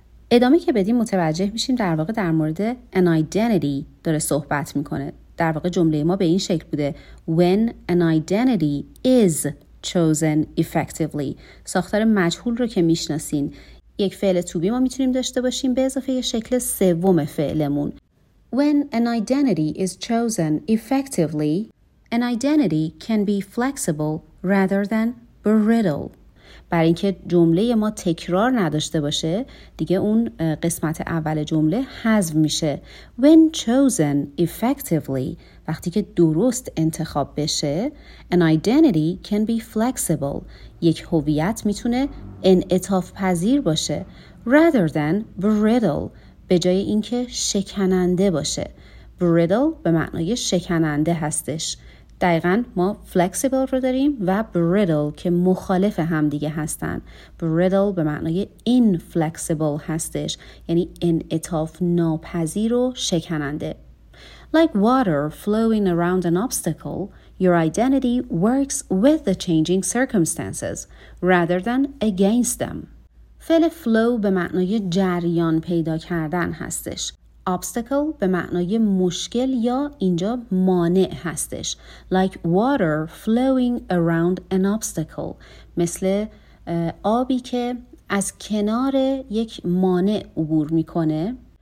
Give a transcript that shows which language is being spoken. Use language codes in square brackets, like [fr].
[fa] ادامه که بدیم متوجه میشیم در واقع در مورد an identity داره صحبت میکنه. در واقع جمله ما به این شکل بوده: [en] When an identity is chosen effectively. [fa] ساختار مجهول رو که میشناسین، یک فعل to be ما میتونیم داشته باشیم به اضافه شکل سوم فعلمون. [en] When an identity is chosen effectively, an identity can be flexible rather than brittle. [fa] برای اینکه جمله ما تکرار نداشته باشه، دیگه اون قسمت اول جمله حذف میشه. [en] When chosen effectively، [fa] وقتی که درست انتخاب بشه، [en] an identity can be flexible. [fa] یک هویت میتونه انعطاف پذیر باشه. [en] Rather than brittle، [fa] به جای اینکه شکننده باشه. Brittle به معنای شکننده هستش. دقیقاً ما فلکسیبل رو داریم و بریدل که مخالف هم دیگه هستن. بریدل به معنای اینفلکسیبل هستش، یعنی انعطاف ناپذیر و شکننده. [en] Like water flowing around an obstacle, your identity works with the changing circumstances rather than against them. [fa] فعل flow به معنای جریان پیدا کردن هستش. Obstacle به معنای مشکل یا اینجا مانع هستش. [en] Like water flowing around an obstacle. [fa] مثل آبی که از کنار یک مانع عبور میکنه.